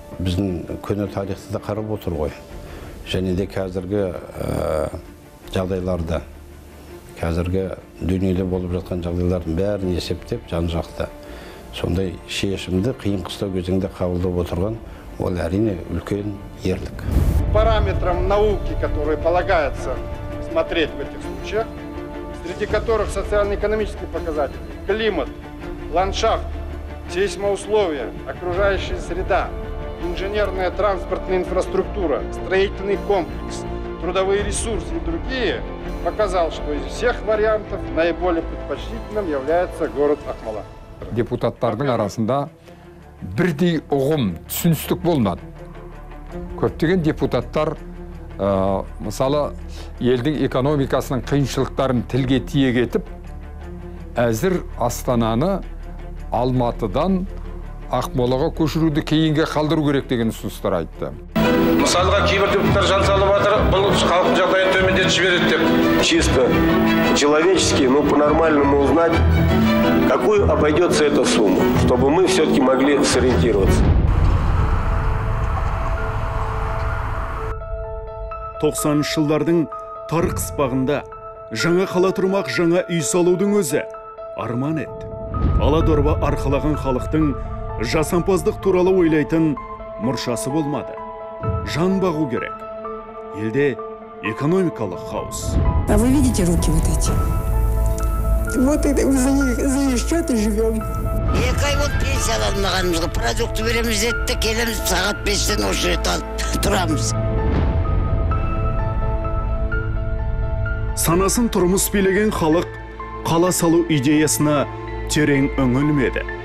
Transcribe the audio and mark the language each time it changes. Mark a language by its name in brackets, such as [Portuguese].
[Kazakh] Біздің көне тарихты да қарап отыр ғой. Және де қазіргі жағдайларды, қазіргі дүниеде болып жатқан жағдайлардың бәрін есептеп жан жақты. Сондай шешімді қиын қыстау кезеңде қабылдап отырған ол әрине үлкен ерлік. [Russian] Параметрам науки, который полагается смотреть в этих случаях, среди которых социально-экономические показатели, климат, ландшафт, сейсмоусловия, окружающая среда, инженерная транспортная инфраструктура, строительный комплекс, трудовые ресурсы и другие, показал, что из всех вариантов наиболее предпочтительным является город Ақмола. [Kazakh] Депутаттардың арасында бірдей ұғым, түсіністік болмады. Көптеген депутаттар, мысалы, елдің экономикасының қиыншылықтарын тілге тиек етіп, әзір Астананы Алматыдан Ақмолаға көшіруді кейінге қалдыру керек деген ұсыныстар айтты. Мысалға кейбір депутаттар жан салып жатыр, бұл халықтың жағдайын төмендетіп жібереді деп. [Russian] Чисто человечески, но по-нормальному узнать, какую обойдется эта сумма, чтобы мы все-таки могли сориентироваться. [Kazakh] 90-шы жылдардың тарқыс бағында жаңа қала тұрмақ, жаңа үй салудың өзі арман еді. Аладорба арқалаған халықтың жасампаздық туралы ойлайтын мұршасы болмады. Жан бағу керек. Елде экономикалық хаос. [Russian] А вы видите руки вот эти? Вот это мы за них что-то живем. [Kazakh] Екі ай болды пенсияға алмағанымызға. Продукты береміз деді, келеміз сағат 5-тен осы жерде тұрамыз. Санасын тұрмыс билеген халық қала салу идеясына терең үңілмеді.